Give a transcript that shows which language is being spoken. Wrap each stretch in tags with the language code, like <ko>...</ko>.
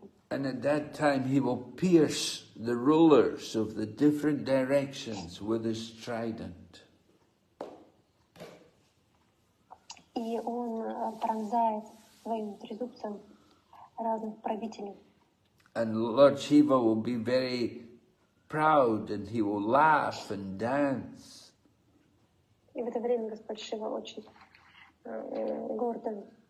<en>And at that time he will pierce the rulers of the different directions with his trident.</en> <ru>И он пронзает своим трезубцем разных правителей.</ru> <en>And Lord Shiva will be very proud and he will laugh and dance.</en> <ru>И в это время Господь Шива очень гордо.</ru>